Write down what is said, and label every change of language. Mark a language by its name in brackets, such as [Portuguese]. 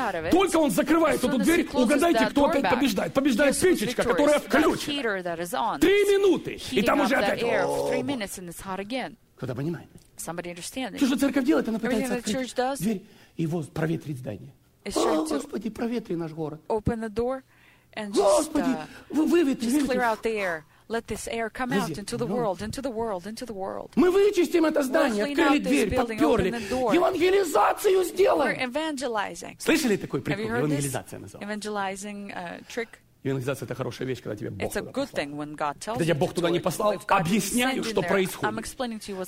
[Russian] Только он закрывает эту дверь, угадайте, кто опять побеждает. Побеждает печечка, которая включена. 3 минуты, и там уже опять... Кто-то понимает? [English] Somebody understanding. [Russian] Что же церковь делает? Она пытается открыть дверь и проветрить здание. Господи, проветри наш город. [English] Open the door and [Russian] Господи, выветри. [English] Just clear out the air. Let this air come out into the world, into the world, into the world. [Russian] Мы вычистим это здание, открыли дверь, подперли. Евангелизацию сделаем. [English] We're evangelizing. [Russian] Слышали такой прикол? Евангелизация называется. [English] Evangelizing trick. [Russian] Евангелизация — это хорошая вещь, когда тебе Бог туда послал. Когда тебя Бог туда не послал, объясняю, что происходит.